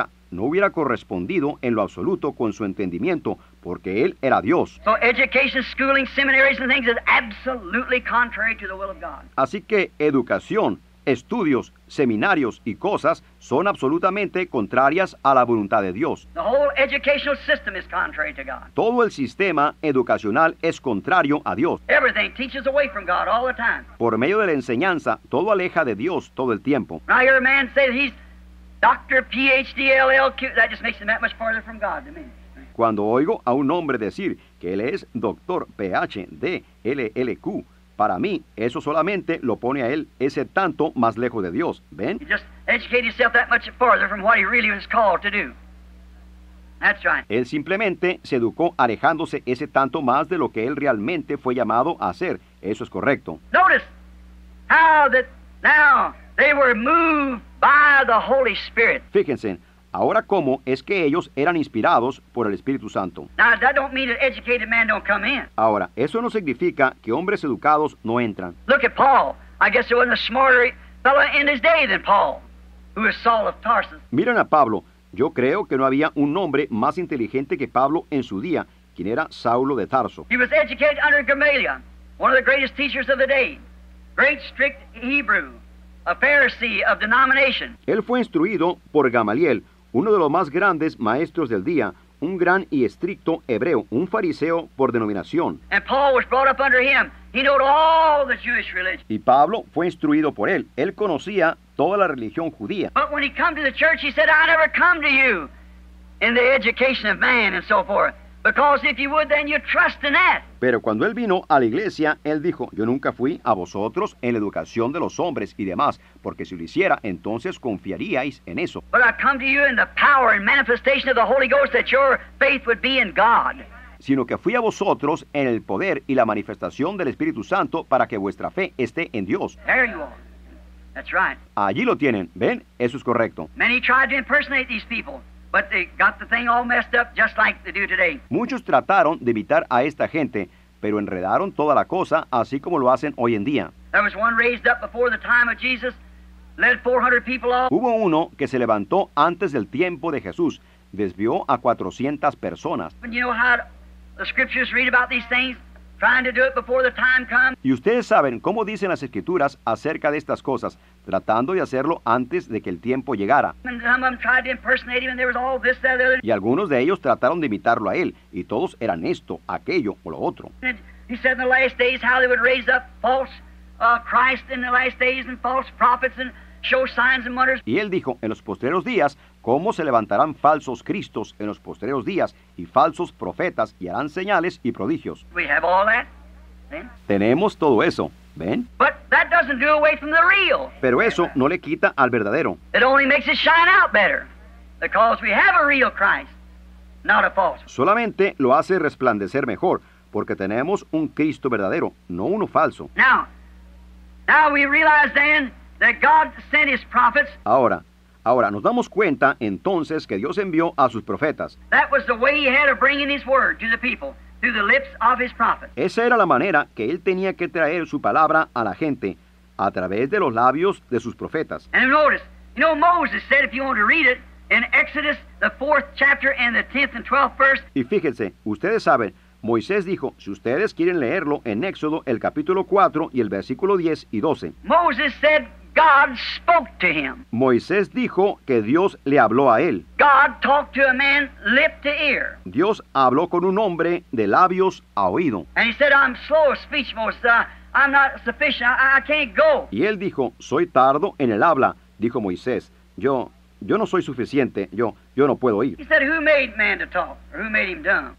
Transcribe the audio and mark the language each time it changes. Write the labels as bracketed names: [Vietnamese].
[Spanish] No hubiera correspondido en lo absoluto con su entendimiento, porque él era Dios. [English] So education, schooling, seminaries and things is absolutely contrary to the will of God. [Spanish] Así que educación, estudios, seminarios y cosas son absolutamente contrarias a la voluntad de Dios. [English] The whole educational system is contrary to God. [Spanish] Todo el sistema educacional es contrario a Dios. [English] Everything teaches away from God all the time. [Spanish] Por medio de la enseñanza, todo aleja de Dios todo el tiempo. [English] Now I hear a man say that he's Dr. PhD, LLQ, that just makes him that much farther from God to me. [Spanish] Cuando oigo a un hombre decir que él es Dr. PhD, LLQ, para mí, eso solamente lo pone a él ese tanto más lejos de Dios, ¿ven? [English] He just educated himself that much farther from what he really was called to do. That's right. [Spanish] Él simplemente se educó alejándose ese tanto más de lo que él realmente fue llamado a hacer. Eso es correcto. [English] Notice how that now they were moved by the Holy Spirit. [Spanish] Fíjense, ahora cómo es que ellos eran inspirados por el Espíritu Santo. [English] Now, that don't mean that educated men don't come in. [Spanish] Ahora, eso no significa que hombres educados no entran. [English] Look at Paul. I guess there wasn't a smarter fellow in his day than Paul, who was Saul of Tarsus. [Spanish] Miren a Pablo. Yo creo que no había un hombre más inteligente que Pablo en su día, quien era Saulo de Tarso. [English] He was educated under Gamaliel, one of the greatest teachers of the day, great strict Hebrew. A Pharisee of denomination. [Spanish] Él fue instruido por Gamaliel, uno de los más grandes maestros del día, un gran y estricto hebreo, un fariseo por denominación. [English] And Paul was brought up under him. He knew all the Jewish religion. [Spanish] Y Pablo fue instruido por él. Él conocía toda la religión judía. [English] But when he came to the church, he said, "I never come to you in the education of man and so forth." Because if you would, then you trust in that. [Spanish] Pero cuando él vino a la iglesia, él dijo, yo nunca fui a vosotros en la educación de los hombres y demás, porque si lo hiciera, entonces confiaríais en eso. [English] But I come to you in the power and manifestation of the Holy Ghost that your faith would be in God. [Spanish] Sino que fui a vosotros en el poder y la manifestación del Espíritu Santo para que vuestra fe esté en Dios. [English] There you are. That's right. [Spanish] Allí lo tienen. ¿Ven? Eso es correcto. [English] Many tried to impersonate these people. But they got the thing all messed up just like they do today. [Spanish] Muchos trataron de imitar a esta gente, pero enredaron toda la cosa así como lo hacen hoy en día. [English] There was one raised up before the time of Jesus, led 400 people off. [Spanish] Hubo uno que se levantó antes del tiempo de Jesús, desvió a 400 personas. [English] And you know how the scriptures read about these things, trying to do it before the time comes. [Spanish] Y ustedes saben cómo dicen las escrituras acerca de estas cosas, tratando de hacerlo antes de que el tiempo llegara. [English] And some of them tried to impersonate him, and there was all this, that, the other. [Spanish] Y algunos de ellos trataron de imitarlo a él, y todos eran esto, aquello o lo otro. [English] And he said in the last days how they would raise up false Christ in the last days and false prophets and show signs and wonders. [Spanish] Y él dijo en los postreros días cómo se levantarán falsos cristos en los postreros días y falsos profetas y harán señales y prodigios. [English] We have all that. [Spanish] ¿Ven? Tenemos todo eso, ¿ven? [English] But that doesn't do away from the real. [Spanish] Pero eso no le quita al verdadero. [English] It only makes it shine out better because we have a real Christ, not a false. [Spanish] Solamente lo hace resplandecer mejor porque tenemos un Cristo verdadero, no uno falso. [English] Now we realize then that God sent his prophets. [Spanish] Ahora nos damos cuenta entonces que Dios envió a sus profetas. [English] That was the way he had of bringing his word to the people through the lips of his prophets. [Spanish] Esa era la manera que él tenía que traer su palabra a la gente a través de los labios de sus profetas. [English] And notice, you know, Moses said, if you want to read it, in Exodus, the 4th chapter and the 10th and 12th verse. [Spanish] Y fíjense, ustedes saben, Moisés dijo, si ustedes quieren leerlo en Éxodo, el capítulo 4 y el versículo 10 y 12. [English] Moses said, God spoke to him. [Spanish] Moisés dijo que Dios le habló a él. [English] God talked to a man lip to ear. [Spanish] Dios habló con un hombre de labios a oído. [English] And he said, I'm slow of speech, Moses. I'm not sufficient. I can't go. [Spanish] Y él dijo, soy tardo en el habla, dijo Moisés. Yo no soy suficiente, yo no puedo ir. [English] He said, who made man to talk, or who made him dumb?